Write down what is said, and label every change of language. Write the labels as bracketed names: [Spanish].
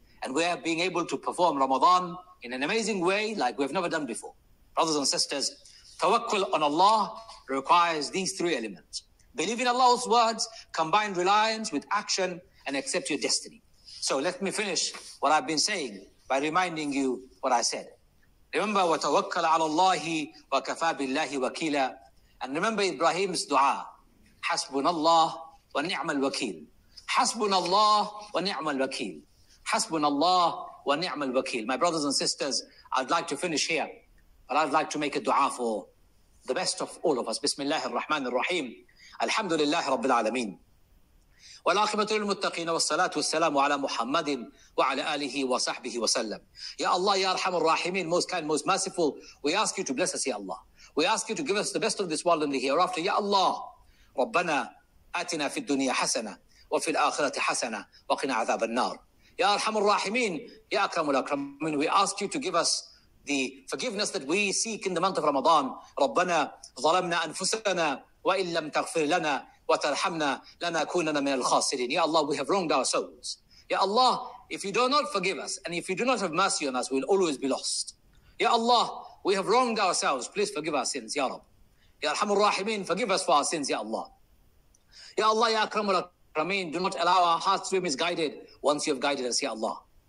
[English] And we're being able to perform Ramadan in an amazing way like we've never done before. Brothers and sisters, tawakkul on Allah requires these three elements. Believe in Allah's words, combine reliance with action, and accept your destiny. So let me finish what I've been saying by reminding you what I said. Remember, [Arabic] وَتَوَكَّلَ عَلَى اللَّهِ وَكَفَى بِاللَّهِ وَكِيلًا. [English] And remember Ibrahim's dua, [Arabic] حَسْبُنَ اللَّهِ وَنِعْمَ الْوَكِيلِ. حَسْبُنَ اللَّهِ وَنِعْمَ الْوَكِيلِ. حَسْبُنَ اللَّهِ وَنِعْمَ الْوَكِيلِ. [English] My brothers and sisters, I'd like to finish here, but I'd like to make a dua for the best of all of us. [Arabic] بسم الله الرحمن الرحيم. الحمد لله رب العالمين. والعاقبة للمتقين والصلاة والسلام على محمد وعلى آله وصحبه وسلم. يا الله يا أرحم الراحمين, [English] most kind, most merciful. We ask you to bless us, [Arabic] يا الله. [English] We ask you to give us the best of this world and the hereafter. [Arabic] يا الله ربنا آتنا في الدنيا حسنة وفي الآخرة حسنة وقنا عذاب النار. يا أرحم الراحمين يا أكرم الأكرمين. [English] We ask you to give us the forgiveness that we seek in the month of Ramadan. [Arabic] ربنا ظلمنا أنفسنا وإن لم تغفر لنا وَتَرْحَمْنَا لَنَكُونَنَا مِنَ الْخَاسِرِينَ. [English] Ya Allah, we have wronged our souls. Ya Allah, if you do not forgive us, and if you do not have mercy on us, we will always be lost. Ya Allah, we have wronged ourselves. Please forgive our sins, Ya Rab. [Arabic] Ya Arhamur Rahimeen, [English] forgive us for our sins, Ya Allah. Ya Allah, [Arabic] Ya Akramul Akrameen, [English] do not allow our hearts to be misguided once you have guided us, Ya Allah.